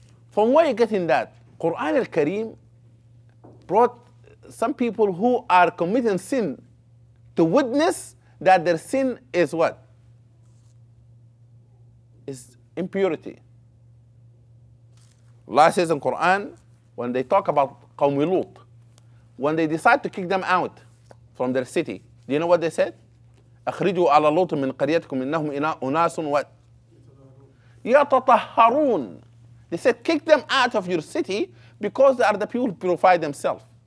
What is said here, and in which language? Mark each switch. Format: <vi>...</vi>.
<en>From where you're getting that? Quran al-Kareem brought some people who are committing sin to witness that their sin is what? Is impurity. Allah says in Quran, when they talk about Qawm Lut, when they decide to kick them out from their city, do you know what they said?</en> <ar>أَخْرِجُوا عَلَى لُوتٌ مِنْ قَرِيَتْكُمْ إِنَّهُمْ أُنَاسٌ</ar> <en>what?</en> <ar>يَتَطَهَّرُونَ.</ar> <en>They said, kick them out of your city because they are the people who purify themselves.</en>